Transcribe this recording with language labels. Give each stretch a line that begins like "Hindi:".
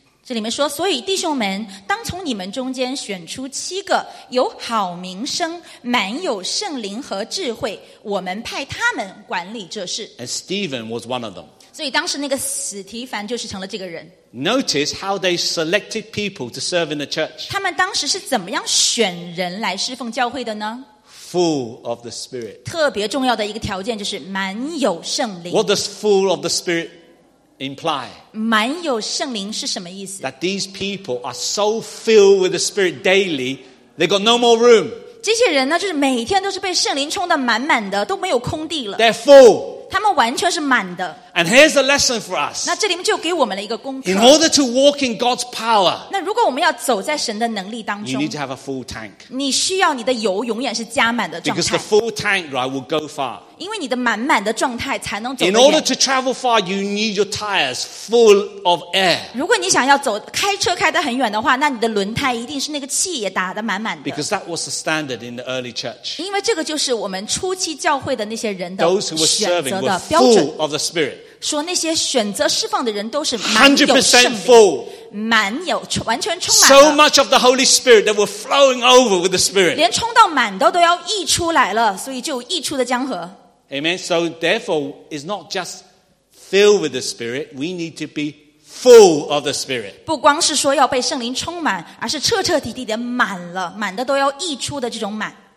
Chinese: 这里面说，所以弟兄们，当从你们中间选出七个有好名声、满有圣灵和智慧，我们派他们管理这事。
English: And Stephen was one of them.
Chinese: 所以当时那个使提凡就是成了这个人。
English: Notice how they selected people to serve in the church.
Chinese: 他们当时是怎么样选人来侍奉教会的呢？
English: Full of the Spirit.
Chinese: 特别重要的一个条件就是满有圣灵。
English: What does full of the Spirit imply?
Chinese: 满有圣灵是什么意思？
English: That these people are so filled with the Spirit daily, they got no more room.
Chinese: 这些人呢，就是每天都是被圣灵充得满满的，都没有空地了。
English: They're full.
Chinese: 他们完全是满的。
English: And here's a lesson for us.
Chinese: 那这里面就给我们了一个功课。
English: In order to walk in God's power,
Chinese: 那如果我们要走在神的能力当中，
English: you need to have a full tank.
Chinese: 你需要你的油永远是加满的状态。
English: Because the full tank, right, will go far.
Chinese: 因为你的满满的状态才能走得远。
English: In order to travel far, you need your tires full of air.
Chinese: 如果你想要走开车开得很远的话，那你的轮胎一定是那个气也打得满满的。
English: Because that was the standard in the early church.
Chinese: 因为这个就是我们初期教会的那些人的选择的标准。
English: Those who were serving were full of the Spirit.
Chinese: 说那些选择释放的人都是满有圣灵。
English: 100% full.
Chinese: 满有完全充满
English: 了 so much of the Holy Spirit that were flowing over with the Spirit
Chinese: 连冲到满的都要溢出来了所以就溢出的江河
English: Amen So therefore it's not just filled with the Spirit we need to be full of the Spirit
Chinese: 不光是说要被圣灵充满而是彻彻底底的满了满的都要溢出的这种满